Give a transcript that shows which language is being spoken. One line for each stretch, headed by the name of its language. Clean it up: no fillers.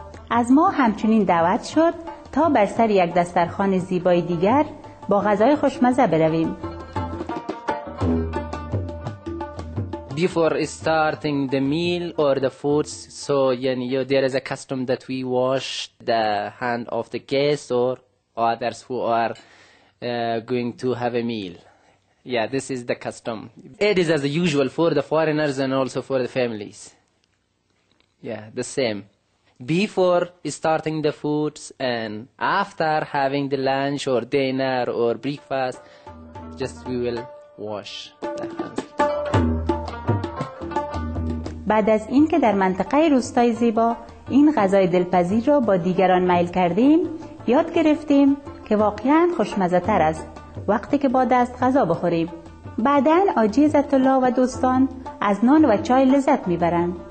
Persian: از ما همچنین دعوت شد تا بر سر یک دسترخوان زیبای دیگر با غذای خوشمزه برویم.
English: Before starting the meal or the foods, so there is a custom that we wash the hand of the guests or others who are going to have a meal. Yeah, this is the custom. It is as usual for the foreigners and also for the families. Yeah, the same. Before starting the foods and after having the lunch or dinner or breakfast, just we will wash the hands.
Persian: بعد از این که در منطقه روستای زیبا این غذای دلپذیر را با دیگران میل کردیم، یاد گرفتیم که واقعاً خوشمزه تر است وقتی که با دست غذا بخوریم. بعداً حاجی عزت‌الله و دوستان از نان و چای لذت میبرند.